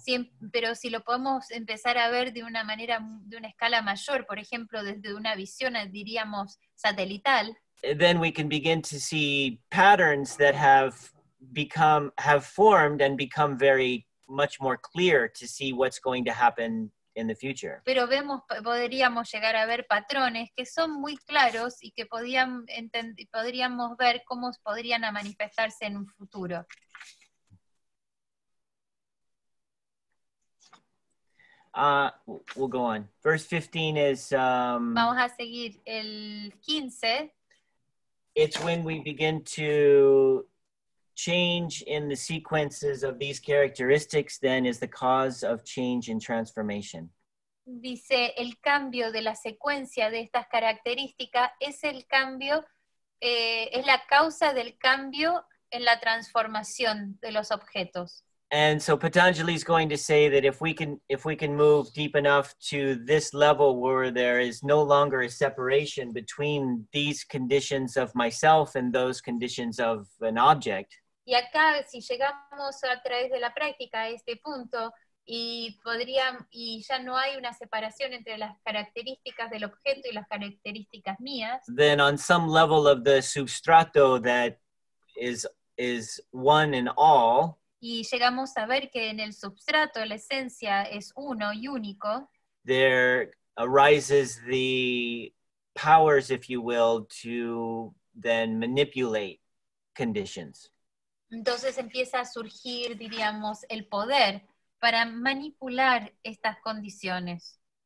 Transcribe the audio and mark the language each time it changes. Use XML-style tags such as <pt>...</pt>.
<es>Sí, pero si lo podemos empezar a ver de una manera, de una escala mayor, por ejemplo, desde una visión, diríamos, satelital.</es> <en>Then we can begin to see patterns that have formed and become very much more clear to see what's going to happen in the future.</en> <es>Pero vemos, podríamos llegar a ver patrones que son muy claros y que podríamos ver cómo podrían manifestarse en un futuro.</es> <en>We'll go on. Verse 15 is...</en> <es>Vamos a seguir el 15.</es> <en>It's when we begin to change in the sequences of these characteristics, then is the cause of change and transformation.</en> <es>Dice, el cambio de la secuencia de estas características es el cambio, es la causa del cambio en la transformación de los objetos.</es> <en>And so Patanjali is going to say that if we can move deep enough to this level where there is no longer a separation between these conditions of myself and those conditions of an object.</en> <es>Y acá, si llegamos a través de la práctica a este punto, y ya no hay una separación entre las características del objeto y las características mías,</es> <en>then on some level of the substrato that is one and all,</en> <es>y llegamos a ver que en el substrato la esencia es uno y único,</es> <en>there arises the powers, if you will, to then manipulate conditions.</en> <es>Entonces empieza a surgir, diríamos, el poder para manipular estas condiciones.</es>